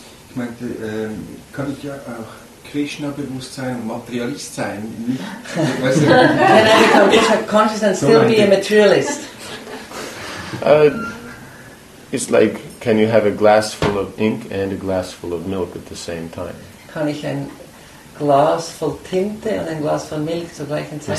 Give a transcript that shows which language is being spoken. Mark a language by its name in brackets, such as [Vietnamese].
[German] Ich meinte, kann ich ja auch Krishna-Bewusstsein und Materialist sein. [English] Can I become Krishna conscious and still be a materialist? It's like, can you have a glass full of ink and a glass full of milk at the same time? [German] Kann ich ein Glas voll Tinte und ein Glas voll Milch zur gleichen Zeit?